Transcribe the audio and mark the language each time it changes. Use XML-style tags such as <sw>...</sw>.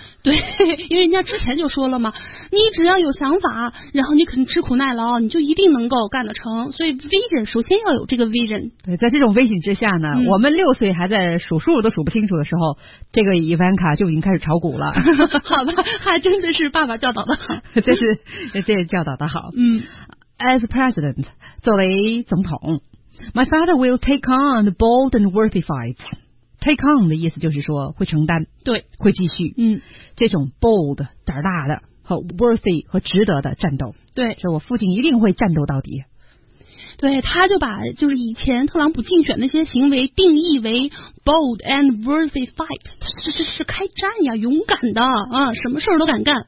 <zh>对，因为人家之前就说了嘛，你只要有想法，然后你肯吃苦耐劳，你就一定能够干得成。所以 vision 首先要有这个 vision。对，在这种 vision 之下呢，我们六岁还在数数都数不清楚的时候，这个 Ivanka 就已经开始炒股了。好吧，还真的是爸爸教导的好。这教导的好。</zh> <en>As president，</en> <zh>作为总统，</zh> <en>My father will take on the bold and worthy fightsTake on</en> <zh>的意思就是说会承担，对，会继续，这种 bold 胆大的和 worthy 和值得的战斗，对，所以我父亲一定会战斗到底。对，他就把就是以前特朗普竞选那些行为定义为</zh> <en>bold and worthy fight，</en> <zh>是开战呀，勇敢的啊，什么事儿都敢干，</zh>